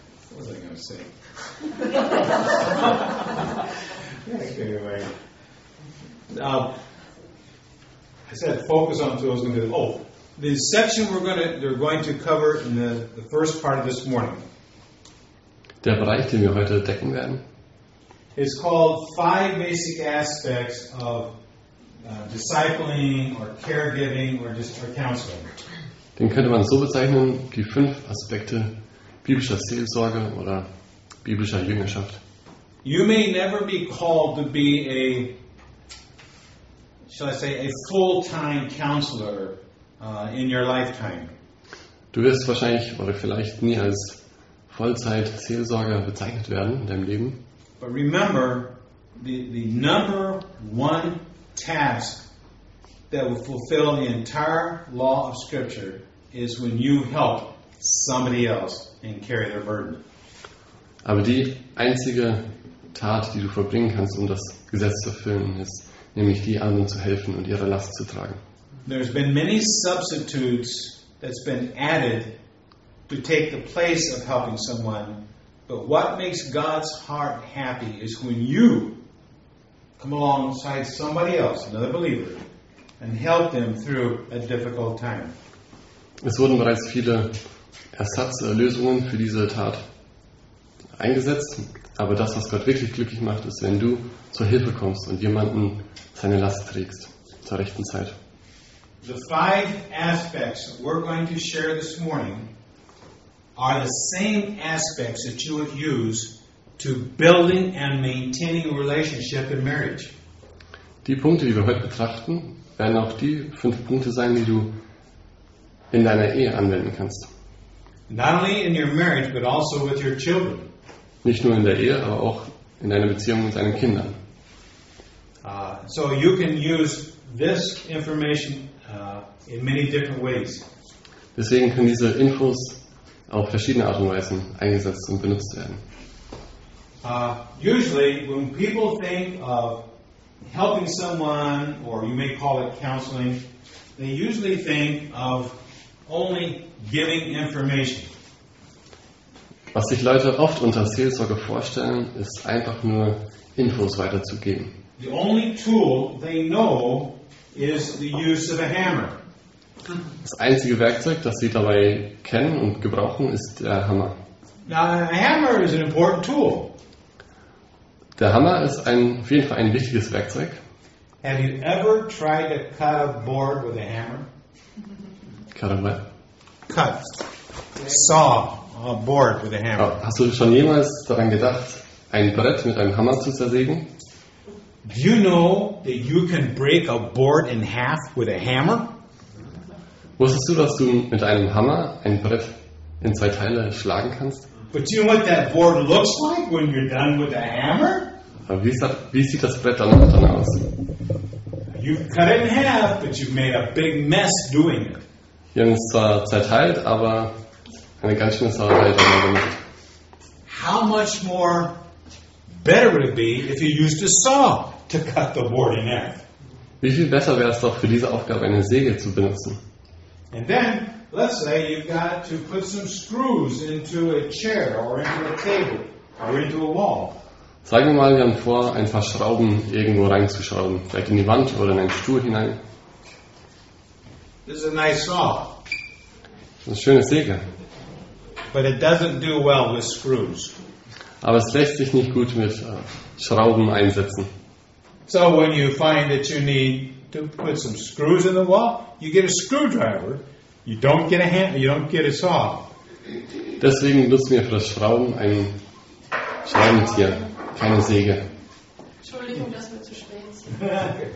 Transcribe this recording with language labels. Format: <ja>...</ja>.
<en>What was I going to say? Anyway, I said focus on tools. The section we're going to cover in the first part of this morning.</en> <de>Der Bereich, den wir heute decken werden,</de> <en>is called five basic aspects of discipling or caregiving or just or counseling.</en> <de>Den könnte man so bezeichnen, die fünf Aspekte biblischer Seelsorge oder biblischer Jüngerschaft.</de> <en>You may never be called to be a full-time counselor in your lifetime.</en> <de>Du wirst wahrscheinlich oder vielleicht nie als Vollzeit Seelsorger bezeichnet werden in deinem Leben.</de> <en>But remember, the number one task that will fulfill the entire law of Scripture is when you help somebody else and carry their burden.</en> <de>Aber die einzige Tat, die du vollbringen kannst, um das Gesetz zu erfüllen, ist nämlich die anderen zu helfen und ihre Last zu tragen.</de> <en>There's been many substitutes that's been added to take the place of helping someone, but what makes God's heart happy is when you come alongside somebody else, another believer, and help them through a difficult time.</en> <de>Es wurden bereits viele Ersatzlösungen für diese Tat eingesetzt, aber das, was Gott wirklich glücklich macht, ist, wenn du zur Hilfe kommst und jemanden seine Last trägst zur rechten Zeit.</de> <en>The five aspects we're going to share this morning are the same aspects that you would use to building and maintaining a relationship in marriage.</en> <de>Die Punkte, die wir heute betrachten, werden auch die fünf Punkte sein, die du in deiner Ehe anwenden kannst.</de> <en>Not only in your marriage, but also with your children.</en> <de>Nicht nur in der Ehe, aber auch in deiner Beziehung mit deinen Kindern.</de> <en>So you can use this information in many different ways.</en> <de>Deswegen können diese Infos auf verschiedene Art und Weisen eingesetzt und benutzt werden.</de> <en>Usually, when people think of helping someone, or you may call it counseling, they usually think of only giving information.</en> <de>Was sich Leute oft unter Seelsorge vorstellen, ist einfach nur Infos weiterzugeben.</de> <en>The only tool they know is the use of a hammer.</en> <de>Das einzige Werkzeug, das sie dabei kennen und gebrauchen, ist der Hammer.</de> <en>Now, a hammer is an important tool.</en> <de>Der Hammer ist auf jeden Fall ein wichtiges Werkzeug.</de> <en>Have you ever tried to cut a board with a hammer? Cut a what? Cut. Saw a board with a hammer.</en> <de>Hast du schon jemals daran gedacht, ein Brett mit einem Hammer zu zersägen?</de> <en>Do you know that you can break a board in half with a hammer?</en> <de>Wusstest du, dass du mit einem Hammer ein Brett in zwei Teile schlagen kannst?</de> <en>But do you know what that board looks like when you're done with the hammer?</en> <de>Wie sieht das Brett dann aus?</de> <en>You've cut it in half, but you've made a big mess doing it.</en> <de>Wir haben es zwar zerteilt, aber eine ganz schöne Sauerei damit gemacht.</de> <en>How much more better would it be if you used a saw to cut the board in half?</en> <de>Wie viel besser wäre es doch für diese Aufgabe, eine Säge zu benutzen?</de> <en>And then, let's say you've got to put some screws into a chair or into a table or into a wall.</en> <de>Sagen wir mal, wir haben vor, ein paar Schrauben irgendwo reinzuschrauben, vielleicht in die Wand oder in einen Stuhl hinein.</de> <en>This is a nice saw.</en> <de>Das ist eine schöne Säge.</de> <en>But it doesn't do well with screws.</en> <de>Aber es lässt sich nicht gut mit Schrauben einsetzen.</de> <en>So when you find that you need to put some screws in the wall, you get a screwdriver. You don't get a hammer. You don't get a saw.</en> <de>Deswegen nutzen wir für das Schrauben ein Schraubentier, keine Säge. Entschuldigung, dass wir zu spät sind.</de>